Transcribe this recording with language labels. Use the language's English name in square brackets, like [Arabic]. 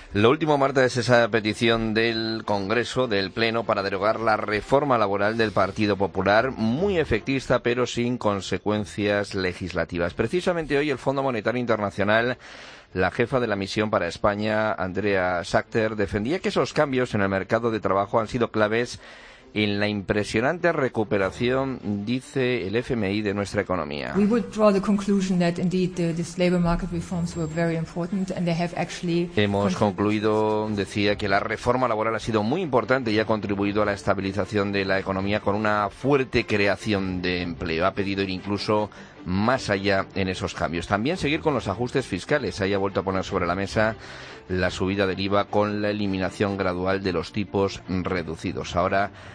[Spanish] Lo último, Marta, es esa petición del Congreso, del Pleno, para derogar la reforma laboral del Partido Popular, muy efectista, pero sin consecuencias legislativas. Precisamente hoy el Fondo Monetario Internacional, la jefa de la misión para España, Andrea Schachter, defendía que esos cambios en el mercado de trabajo han sido claves en la impresionante recuperación, dice el FMI, de nuestra economía. [English] We would draw the conclusion that indeed these labor market reforms were very important and they have actually. [Spanish] Hemos concluido, decía, que la reforma laboral ha sido muy importante y ha contribuido a la estabilización de la economía con una fuerte creación de empleo. Ha pedido ir incluso más allá en esos cambios. También seguir con los ajustes fiscales. Ahí ha vuelto a poner sobre la mesa la subida del IVA con la eliminación gradual de los tipos reducidos. Ahora